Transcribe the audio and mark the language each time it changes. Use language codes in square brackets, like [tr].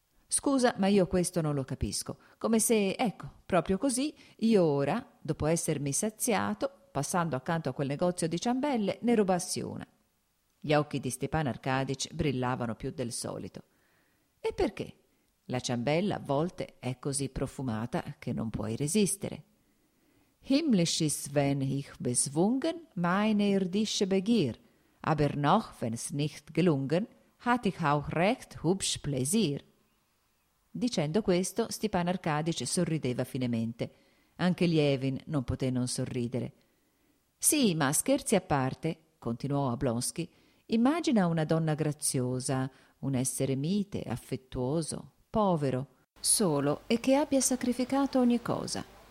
[it] Scusa, ma io questo non lo capisco. Come se, ecco, proprio così, io ora, dopo essermi saziato, passando accanto a quel negozio di ciambelle, ne rubassi una». Gli occhi di Stepan Arkadyevich brillavano più del solito. «E perché? La ciambella a volte è così profumata che non puoi resistere». [de] «Himmlisch ist, wenn ich bezwungen, meine irdische Begier, aber noch, wenn's nicht gelungen, hat ich auch recht hübsch plaisir». [it] Dicendo questo, Stepan Arkadyevich sorrideva finemente. Anche Lievin non poté non sorridere. «Sì, ma scherzi a parte», continuò Oblonsky, «immagina una donna graziosa, un essere mite, affettuoso, povero, solo e che abbia sacrificato ogni cosa.